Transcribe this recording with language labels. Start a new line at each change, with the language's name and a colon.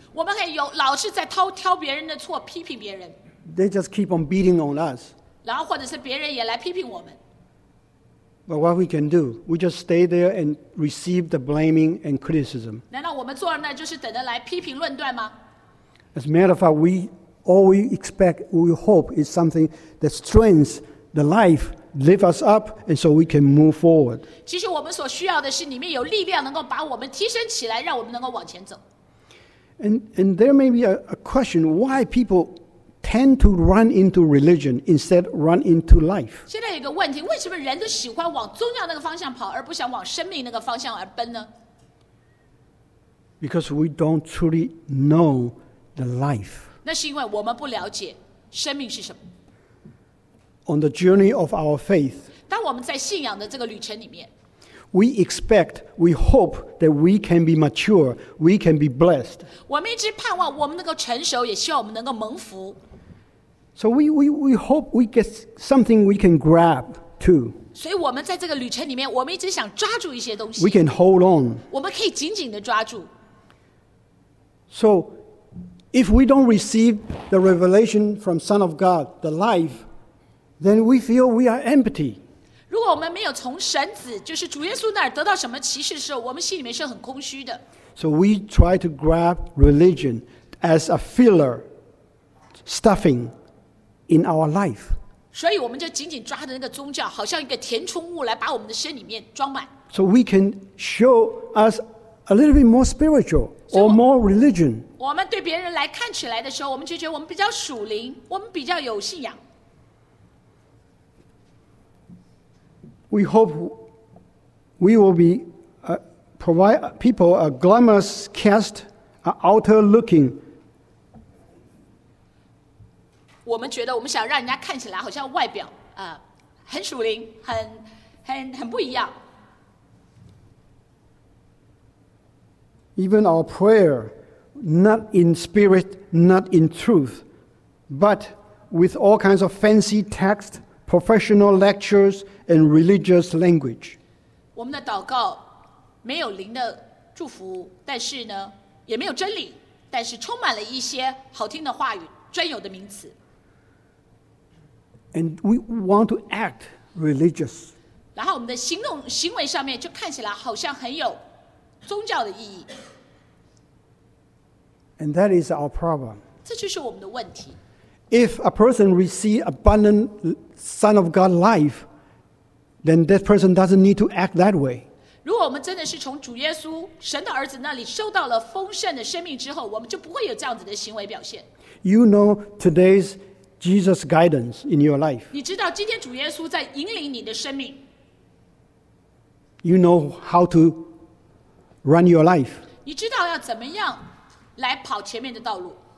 Chinese: 我们可以有老是在挑别人的错，批评别人。
English: They just keep on beating on us.
Chinese: 然后或者是别人也来批评我们。
English: But what we can do, we just stay there and receive the blaming and criticism.
Chinese: 难道我们坐在那就是等着来批评论断吗？
English: As a matter of fact, we expect, we hope is something that strengthens the life, lift us up, and so we can move forward.
Chinese: 其实我们所需要的是里面有力量能够把我们提升起来，让我们能够往前走。
English: And there may be a question why people tend to run into religion instead of run into life.
Chinese: 现在有一个问题，为什么人都喜欢往宗教那个方向跑，而不想往生命那个方向而奔呢？
English: Because we don't truly know the life.
Chinese: 那是因为我们不了解生命是什么。
English: On the journey of our faith,
Chinese: 当我们在信仰的这个旅程里面。
English: We expect, we hope that we can be mature, we can be blessed.
Chinese: 我们一直盼望我们能够成熟，也希望我们能够蒙福。
English: So we hope we get something we can grab too.
Chinese: 所以我们在这个旅程里面，我们一直想抓住一些东西。
English: We can hold on.
Chinese: 我们可以紧紧的抓住。
English: So if we don't receive the revelation from Son of God, the life, then we feel we are empty.
Chinese: 如果我们没有从神子，就是主耶稣那儿得到什么启示的时候，我们心里面是很空虚的。
English: So we try to grab religion as a filler, stuffing in our life.
Chinese: 所以我们就紧紧抓着那个宗教，好像一个填充物来把我们的身里面装满。
English: So we can show us a little bit more spiritual or more religion.
Chinese: 我们对别人来看起来的时候，我们就觉得我们比较属灵，我们比较有信仰。
English: We hope we will be provide people a glamorous cast, an outer looking.
Chinese: 我们觉得我们想让人家看起来好像外表啊、很属灵，很不一样。
English: Even our prayer, not in spirit, not in truth, but with all kinds of fancy text. Professional lectures and religious language.
Chinese: 我们的祷告没有灵的祝福，但是呢，也没有真理，但是充满了一些好听的话语，专有的名词。
English: And we want to act religious.
Chinese: 然后我们的行动行为上面就看起来好像很有宗教的意义。
English: And that is our problem.
Chinese: 这就是我们的问题。
English: If a person receives abundant Son of God life, then that person doesn't need to act that way.
Chinese: 如果我们真的是从主耶稣神的儿子那里收到了丰盛的生命之后，我们就不会有这样子的行为表现。
English: You know today's Jesus guidance in your life.
Chinese: 你知道今天主耶稣在引领你的生命。
English: You know how to run your life.
Chinese: 你知道要怎么样来跑前面的道路。